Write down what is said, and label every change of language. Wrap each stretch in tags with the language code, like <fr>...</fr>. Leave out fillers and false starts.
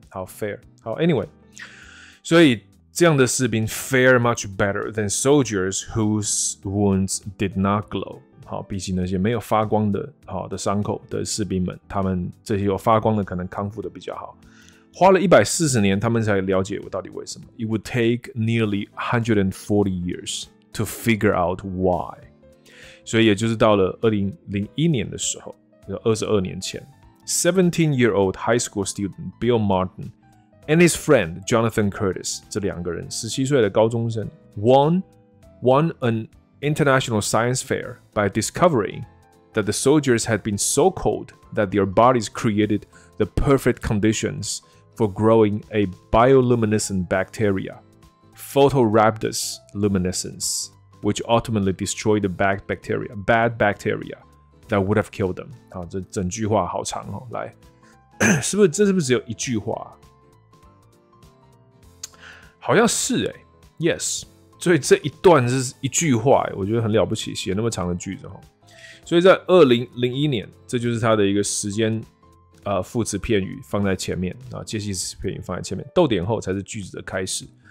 <en>好 ，fare， 好 ，anyway，</en> <zh>所以这样的士兵</zh> <en>fare much better than soldiers whose wounds did not glow。</en> <zh>比起那些没有发光的好的伤口的士兵们，他们这些有发光的可能康复的比较好。花了140年他们才了解我到底为什么。</zh> <en>It would take nearly 140 years to figure out why.</en> <zh>所以也就是到了2001年的时候，就22年前 ,</zh> <en>17-year-old high school student Bill Martin and his friend Jonathan Curtis,</en> <zh>这两个人 ,17 岁的高中生 won</zh> <en>an international science fair by discovering that the soldiers had been so cold that their bodies created the perfect conditions for growing a bioluminescent bacteria, Photoraptus luminescens, which ultimately destroyed the bad bacteria that would have killed them.</en> <zh>好，这整句话好长哦，来，是不是这是不是只有一句话？好像是哎 ，</zh> <en>Yes。</en> <zh>所以这一段是一句话，我觉得很了不起，写那么长的句子。所以在2001年，这就是他的一个时间副词片语放在前面，介系词片语放在前面，逗点后才是句子的开始。</zh>